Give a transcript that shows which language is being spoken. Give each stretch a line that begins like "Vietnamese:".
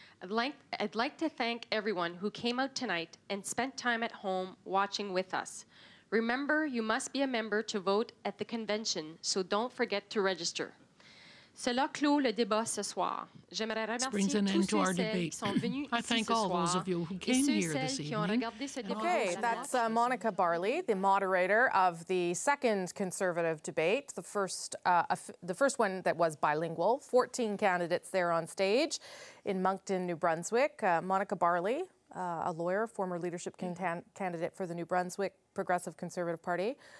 English: I'd like to thank everyone who came out tonight and spent time at home watching with us. Remember, you must be a member to vote at the convention, so don't forget to register.
French: Cela clôt le débat ce soir. J'aimerais remercier tous ceux qui sont venus ici ce soir et ceux celles qui ont regardé ce débat.
English: Okay, that's Monica Barley, the moderator of the second conservative debate, the first one that was bilingual. 14 candidates there on stage in Moncton, New Brunswick. Monica Barley, a lawyer, former leadership candidate for the New Brunswick Progressive Conservative Party.